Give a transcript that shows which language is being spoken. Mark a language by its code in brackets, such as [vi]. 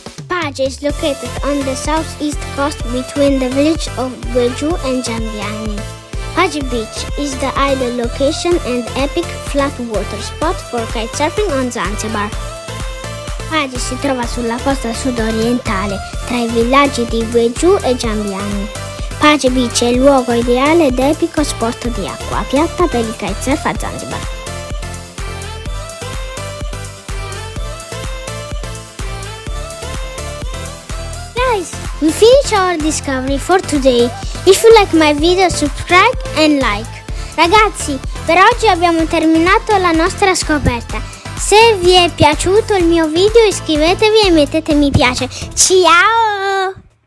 [en] Raja is located on the southeast coast between the village of Gweju and Jambiani. Raja Beach is the ideal location and epic flat water spot for kitesurfing on Zanzibar. [it] Raja si trova sulla costa sud-orientale, tra i villaggi di Gweju e Jambiani. Raja Beach è il luogo ideale ed epico spot di acqua piatta per il kitesurf a Zanzibar. [en] We finish our discovery for today. If you like my video, subscribe and like. [it] Ragazzi, per oggi abbiamo terminato la nostra scoperta. Se vi è piaciuto il mio video, iscrivetevi e mettete mi piace. Ciao!